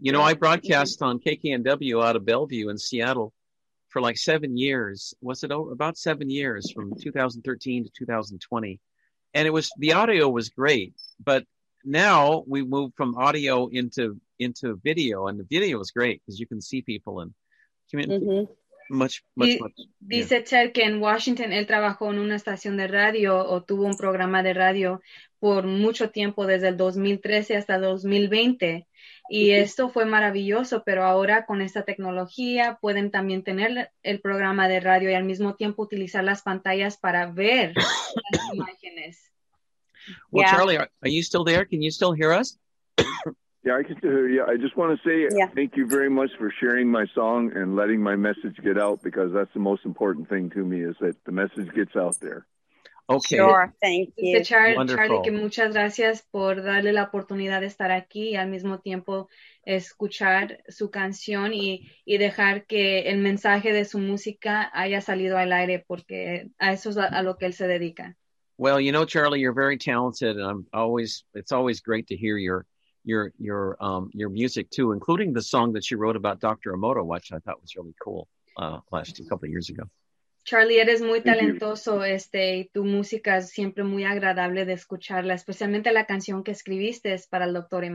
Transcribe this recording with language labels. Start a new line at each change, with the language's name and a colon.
English: You know, I broadcast on KKNW out of Bellevue in Seattle for like 7 years. Was it about 7 years from 2013 to 2020? And the audio was great. But now we moved from audio into video, and the video was great because you can see people and
Spanish: Dice Ted que en Washington él trabajó en una estación de radio o tuvo un programa de radio por mucho tiempo, desde el 2013 hasta 2020. Y esto fue maravilloso, pero ahora con esta tecnología pueden también tener el programa de radio y al mismo tiempo utilizar las pantallas para ver las imágenes.
English: Well, yeah. Charlie, are you still there? Can you still hear us? Yeah, I can still hear you. I just want to say thank you very much for sharing my song and letting my message get out, because that's the most important thing to me, is that the message gets out there. Okay. Sure, thank you.
Spanish: Dice Charlie, que muchas gracias por darle la oportunidad de estar aquí y al mismo tiempo escuchar su canción y dejar que el mensaje de su música haya salido al aire, porque a eso es a lo que él se dedica.
English: Well, you know, Charlie, you're very talented, and it's always great to hear your music too, including the song that she wrote about Dr. Emoto, which I thought was really cool couple of years ago.
Spanish: Charlie, eres muy talentoso, y tu música es siempre muy agradable de escucharla, especialmente la canción que escribiste para el Dr.